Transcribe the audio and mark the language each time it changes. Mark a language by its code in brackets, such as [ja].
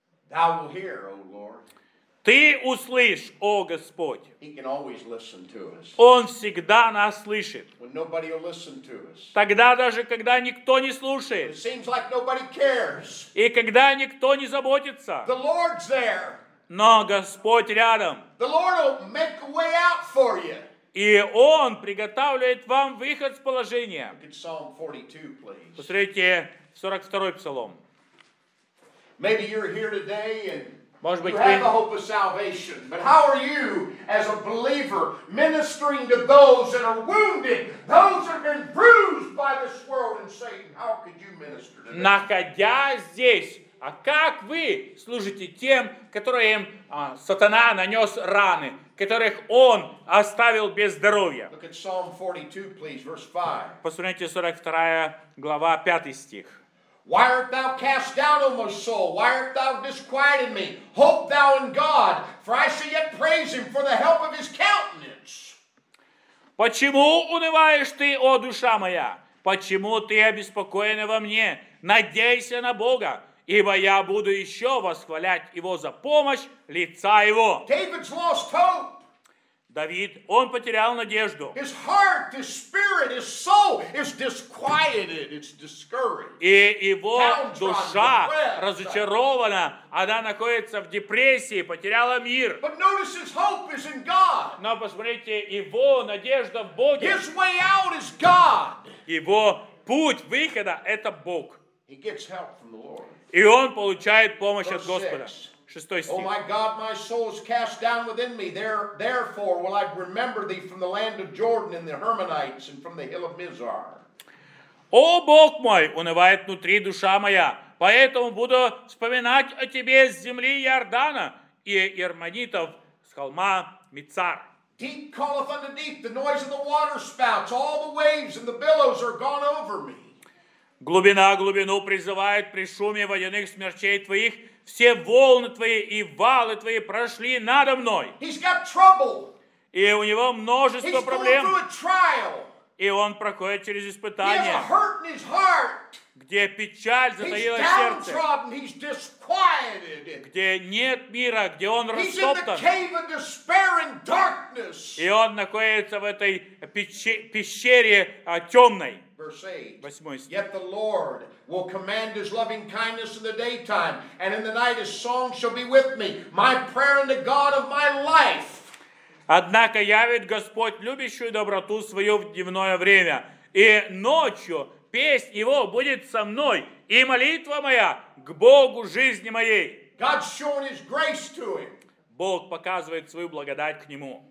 [en] Thou will hear, O Lord. [ru] Ты услышь, о Господь. [en] He can always listen to us. [ru] Он всегда нас слышит. [en] When nobody will listen to us. [ru] Тогда даже, когда никто не слушает. [en] It seems like nobody cares. [ru] И когда никто не заботится. [en] The Lord's there. [ru] Но Господь рядом. [en] The Lord will make a way out for you. [ru] И Он приготавливает вам выход с положения. [en] Look at Psalm 42, please. [ru] Посмотрите 42-й псалом. [en] Maybe you're here today and you have the hope of salvation, but how are you as a believer ministering to those that are wounded, those that have been bruised by this world and Satan? How could you minister to them? [ru] Находясь здесь, а как вы служите тем, которым сатана нанес раны, которых он оставил без здоровья? [en] Look at Psalm 42, please, verse 5. [ru] Посмотрите 42 глава, 5 стих. [en] Why art thou cast down, O my soul? Why art thou disquieted me? Hope thou in God, for I shall yet praise him for the help of his countenance. [ru] Почему унываешь ты, о душа моя? Почему ты обеспокоена во мне? Надейся на Бога, ибо я буду еще восхвалять его за помощь лица его. [en] David's lost hope. [ru] Давид, он потерял надежду. [en] His heart, his spirit, his soul is disquieted, it's discouraged. [ru] И его душа разочарована, она находится в депрессии, потеряла мир. [en] But notice his hope is in God. [ru] Но посмотрите, его надежда в Боге. [en] His way out is God. [ru] Его путь выхода – это Бог. [en] He gets help from the Lord. [ru] И он получает помощь [en] Verse [ru] от Господа. [en] Oh my God, my soul is cast down within me. Therefore will I remember thee from the land of Jordan and the Hermonites and from the hill of Mizar. [ru] О Бог мой, унывает внутри душа моя, поэтому буду вспоминать о тебе с земли Иордана и Ермонитов с холма Мицар. [en] Deep calleth unto deep, the noise of the waterspouts, all the waves and the billows are gone over me. [ru] Глубина глубину призывает при шуме водяных смерчей твоих. Все волны твои и валы твои прошли надо мной. [en] He's got trouble. [ru] И у него множество [en] He's [ru] проблем. [en] Going through a trial. [ru] И он проходит через испытание. [en] He has a hurt in his heart. [ru] Где печаль затаила сердце. [en] He's downtrodden. He's disquieted. [ru] Где нет мира, где он [en] He's [ru] растоптан. [en] In the cave of despair and darkness. [ru] И он находится в этой пещере темной. [en] Verse 8. Yet the Lord will command his loving kindness in the daytime, and in the night his song shall be with me, my prayer unto God of my life. [ru] Однако явит Господь любящую доброту свою в дневное время, и ночью песнь его будет со мной, и молитва моя к Богу жизни моей. [en] God's showing his grace to him. [ru] Бог показывает свою благодать к нему.